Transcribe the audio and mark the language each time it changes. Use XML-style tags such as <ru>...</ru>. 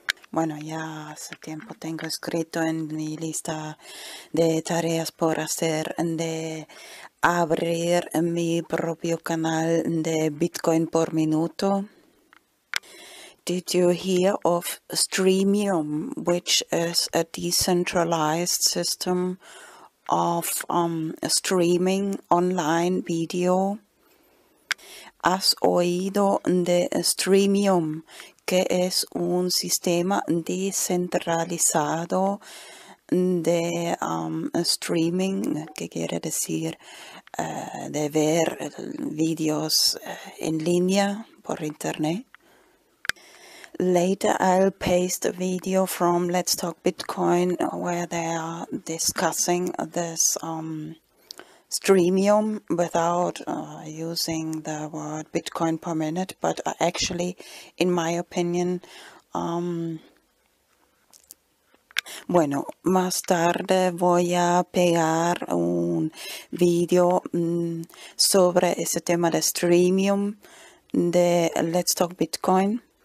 <es>Bueno, ya hace tiempo tengo escrito en mi lista de tareas por hacer de abrir mi propio canal de Bitcoin por minuto.</es> <en>Did you hear of Streamium, which is a decentralized system of streaming online video?</en> <es>¿Has oído de Streamium, que es un sistema descentralizado de streaming, que quiere decir de ver videos en línea por internet?</es> <en>Later I'll paste a video from Let's Talk Bitcoin where they are discussing this Streamium without using the word Bitcoin per minute, but actually, in my opinion,</en> <es>bueno, más tarde voy a pegar un video sobre ese tema de Streamium de Let's Talk Bitcoin.</es>